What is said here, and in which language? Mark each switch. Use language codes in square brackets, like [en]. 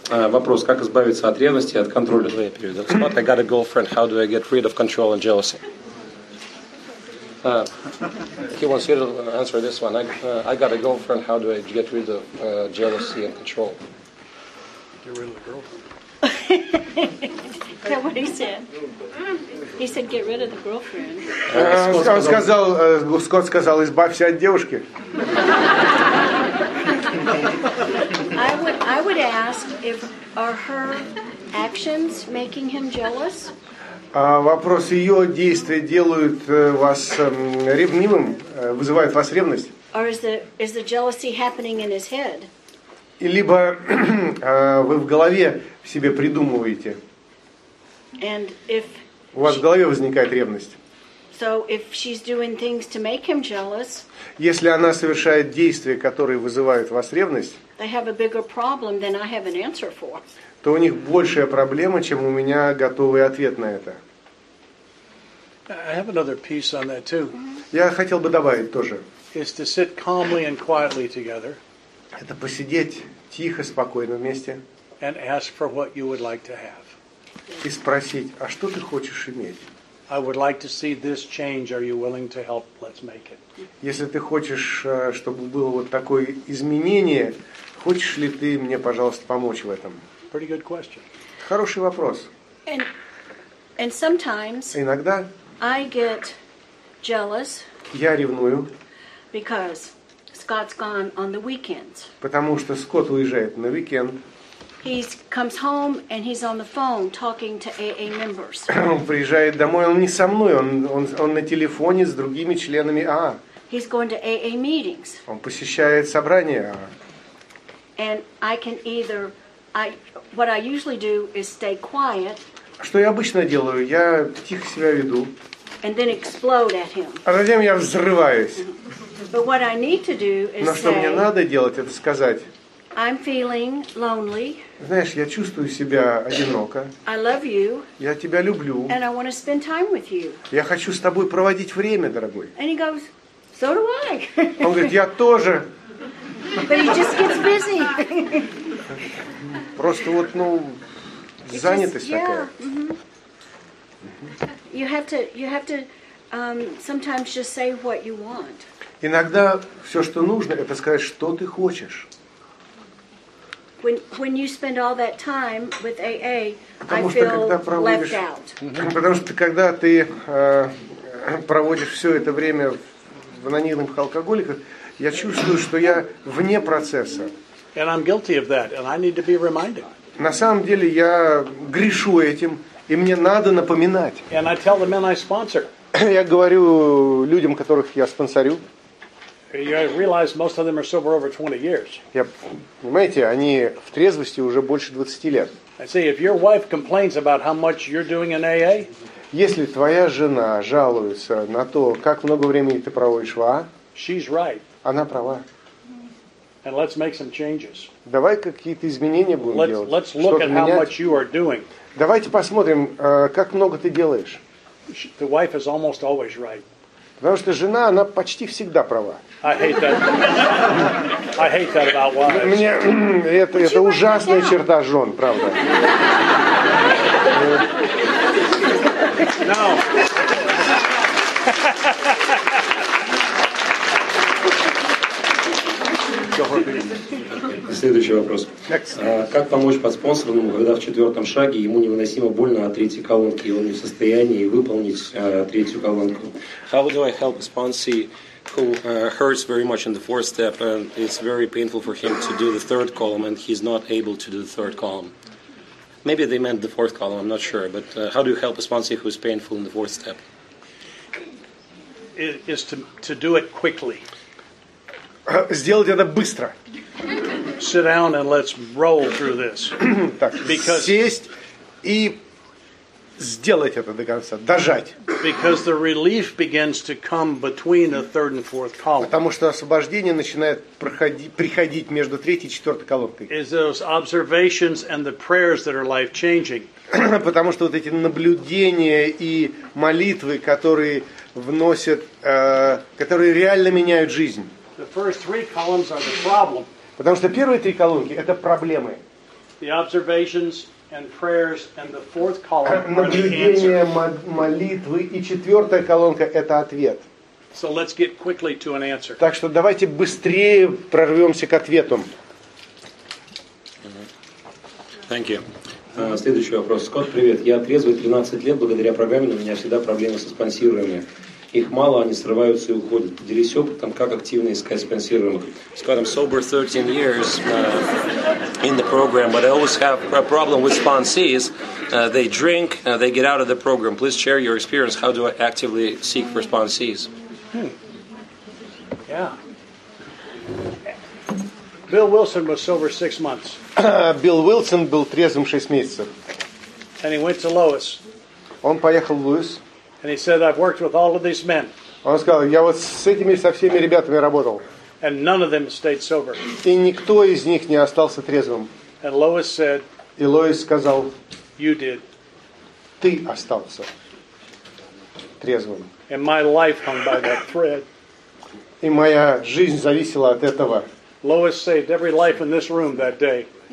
[ru] Вопрос: как избавиться от ревности и от контроля? [en] Скотт, I got a girlfriend. How do I get rid of control and jealousy? He wants you to answer this one. I got a girlfriend. How do I get rid of jealousy and control? Get rid of the girlfriend. That's what he said. He said, "Get rid of the girlfriend." [ru] Скотт сказал, избавься от девушки. [en] I would ask if are her actions making him jealous? [ru] Вопрос, ее действия делают вас ревнивым, вызывают вас ревность? [en] Or is the jealousy happening in his head? [ru] Либо вы в голове себе придумываете. [en] And if [ru] у вас в голове возникает ревность. [en] So if she's doing things to make him jealous, [ru] если она совершает действия, которые вызывают вас ревность, [en] they have a bigger problem than I have an answer for. [ru] То у них большая проблема, чем у меня готовый ответ на это. [en] I have another piece on that too. [ru] Я хотел бы добавить тоже. [en] Is to sit calmly and quietly together. [ru] Это посидеть тихо, спокойно вместе. [en] And ask for what you would like to have. [ru] И спросить, а что ты хочешь иметь? [en] I would like to see this change. Are you willing to help? Let's make it. [ru] Если ты хочешь, чтобы было вот такое изменение, хочешь ли ты мне, пожалуйста, помочь в этом? [en] Pretty good question. [ru] Хороший вопрос. [en] And sometimes [ru] иногда [en] I get jealous. [ru] Я ревную. [en] Because Scott's gone on the weekends. [ru] Потому что Скотт уезжает на уикенд. [en] He comes home and he's on the phone talking to AA members. [ru] Он приезжает домой, он не со мной, он на телефоне с другими членами АА. [en] He's going to AA meetings. [ru] Он посещает собрания АА. [en] And I can either what I usually do is stay quiet. [ru] Что я обычно делаю? Я тихо себя веду. [en] And then explode at him. [ru] А затем я взрываюсь. [en] But what I need to do is [ru] Но что [en] say, [ru] мне надо делать, это сказать. [en] I'm feeling lonely. [ru] Знаешь, я чувствую себя одиноко. [en] I love you. [ru] Я тебя люблю. [en] And I want to spend time with you. [ru] Я хочу с тобой проводить время, дорогой. [en] And he goes, so do I. [ru] Он говорит, я тоже. [en] But he just gets busy. [ru] Просто вот, ну, занятость [en] just, yeah, [ru] такая. Mm-hmm. [en] You have to sometimes just say what you want. [ru] Иногда все, что нужно, это сказать, что ты хочешь. [en] When you spend all that time with AA, [ru] потому [en] I feel left out. [ru] Потому что когда ты проводишь все это время в анонимных алкоголиках, я чувствую, что я вне процесса. [en] And I'm guilty of that, and I need to be reminded. [ru] На самом деле я грешу этим, и мне надо напоминать. [en] And I tell the men I sponsor. [ru] Я говорю людям, которых я спонсорю. [en] You realize most of them are sober over 20 years. [ru] Я, понимаете, они в трезвости уже больше 20 лет. [en] I say, if your wife complains about how much you're doing in AA, [ru] если твоя жена жалуется на то, как много времени ты проводишь в АА, [en] she's right. [ru] Она права. [en] And let's make some changes. [ru] Давай какие-то изменения будем [en] let's, [ru] делать. [en] Let's look at [ru] менять. [en] How much you are doing. [ru] Давайте посмотрим, как много ты делаешь. [en] The wife is almost always right. [ru] Потому что жена, она почти всегда права. [en] I hate that. I hate that about wives. [ru] Мне это ужасная черта жен, правда. [en] No. [ru] Следующий вопрос. Как помочь подспонсорному, когда в четвертом шаге ему невыносимо больно от третьей колонки, и он не в состоянии выполнить третью колонку? [en] How do I help a sponsee who hurts very much in the fourth step and it's very painful for him to do the third column and he's not able to do the third column? Maybe they meant the fourth column, I'm not sure, but how do you help a sponsee who's painful in the fourth step? It is to do it quickly. [ru] Сделать это быстро. [en] Sit down and let's roll through this. [ru] Так, [en] because [ru] сесть и сделать это до конца, дожать. [en] Because the relief begins to come between the third and fourth column. [ru] Потому что освобождение начинает приходить между третьей и четвертой колонкой. [en] Is those observations and the prayers that are life changing. [ru] Потому что вот эти наблюдения и молитвы, которые вносят, которые реально меняют жизнь. [en] The first three columns are the problem. [ru] Потому что первые три колонки это проблемы. [en] The observations and prayers and the fourth column are the answers. [ru] Наблюдения, молитвы и четвертая колонка это ответ. [en] So let's get quickly to an answer. [ru] Так что давайте быстрее прорвемся к ответу. [en] Thank you. [ru] Следующий вопрос. Скотт, привет. Я трезвый 13 лет. Благодаря программе у меня всегда проблемы со спонсированием. их мало, они срываются и уходят. Делись опытом, как активно искать спонсируемых. [en] Scott, I'm sober 13 years in the program, but I always have a problem with sponsees. They drink, they get out of the program. Please share your experience. How do I actively seek for sponsees? Bill Wilson was sober 6 months. [ru] Bill Wilson был трезвым 6 месяцев. [en] And he went to Lois. [ru] Он поехал в Луис. [en] And he said, "I've worked with all of these men." [ru] Он сказал, я вот с этими со всеми ребятами работал. [en] And none of them stayed sober. [ru] И никто из них не остался трезвым. [en] And Lois said. [ru] И Лоис сказал. [en] You did. [ru] Ты остался трезвым. [en] And my life hung by that thread. [ru] И моя жизнь зависела от этого. [en] Lois saved every life in this room that day.